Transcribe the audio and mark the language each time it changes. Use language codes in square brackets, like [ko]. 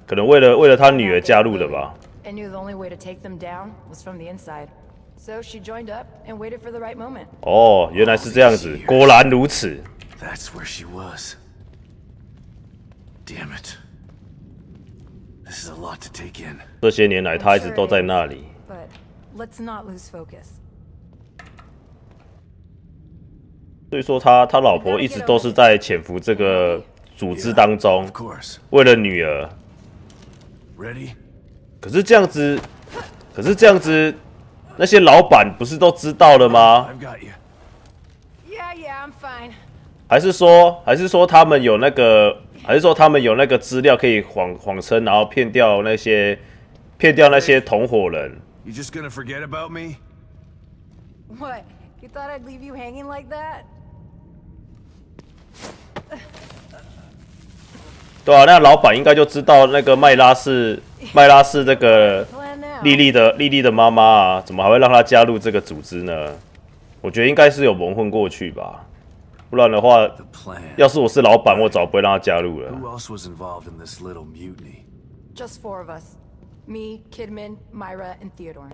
[zh] 可能为了她女儿加入的吧。 [en] I knew the only way to take them down was from the inside. So she joined up and waited for the right moment. [zh] 哦，原来是这样子，果然如此。 [en] That's where she was. Damn it! This is a lot to take in. [zh] 这些年来，他一直都在那里。 [en] But let's not lose focus. [zh] 所以说他老婆一直都是在潜伏这个组织当中，为了女儿。 [en] Ready? [zh] 可是这样子，那些老板不是都知道了吗 [en] ？I've got you. Yeah, yeah, I'm fine. [zh] 还是说他们有那个？还是说他们有那个资料可以谎称，然后骗掉那些同伙人 [en] ？You just gonna forget about me? What? You thought I'd leave you hanging like that? [zh] 对啊，那老板应该就知道那个麦拉是那个莉莉的妈妈啊，怎么还会让她加入这个组织呢？我觉得应该是有蒙混过去吧。不然的话，要是我是老板，我早不会让他加入了。 [en] Who else was involved in this little mutiny? Just four of us: me, Kidman, Myra, and Theodore.